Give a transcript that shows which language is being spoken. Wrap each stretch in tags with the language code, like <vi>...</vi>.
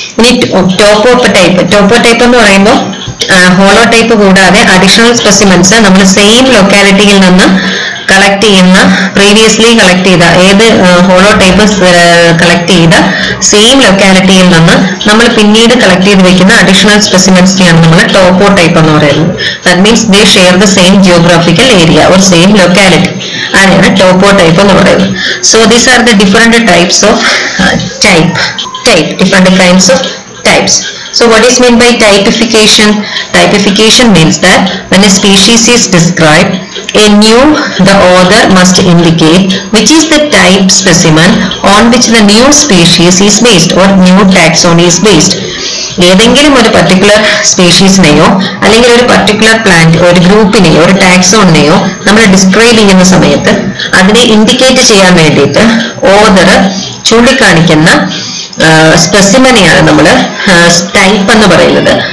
<ml>ഇനി ടോപ്പോ type. ടോപ്പോ type എന്ന് പറയുമ്പോൾ ഹോളോ ടൈപ്പ് കൂടാതെ അഡീഷണൽ സ്പെസിമെൻസ് നമ്മൾ സെയിം ലൊക്കാലിറ്റിയിൽ നിന്ന് കളക്ട് ചെയ്യുന്ന, പ്രീവിയസ്ലി കളക്ട് ചെയ്ത ഏത് ഹോളോ ടൈപ്പ് കളക്ട് ചെയ്ത സെയിം ലൊക്കാലിറ്റിയിൽ നിന്ന് നമ്മൾ പിന്നീട് കളക്ട് ചെയ്ത് വെക്കുന്ന അഡീഷണൽ സ്പെസിമെൻസിനെയാണ് നമ്മൾ ടോപ്പോ ടൈപ്പ് എന്ന് പറയുന്നത്.</ml> <en>that means they share the same geographical area or same locality,</en> <ml>അതാണ് ടോപ്പോ ടൈപ്പ് എന്ന് പറയുന്നത്.</ml> <en>So these are the different types of type. Type different types of types. So what is meant by typification? Typification means that when a species is described, a new, the author must indicate which is the type specimen on which the new species is based or new taxon is based.</en> <ml>ഏതെങ്കിലും ഒരു particular സ്പീഷീസിനെയോ അല്ലെങ്കിൽ ഒരു particular plant ഒരു ഗ്രൂപ്പിനെയോ ഒരു ടാക്സോണിനെയോ നമ്മൾ describe ചെയ്യുന്ന സമയത്ത് അതിനെ ഇൻഡിക്കേറ്റ് ചെയ്യാൻ വേണ്ടിയിട്ട് ഓദർ ചൂണ്ടിക്കാണിക്കുന്ന സ്പെസിമനെയാണ് നമ്മൾ ടൈപ്പ് എന്ന് പറയുന്നത്.</ml>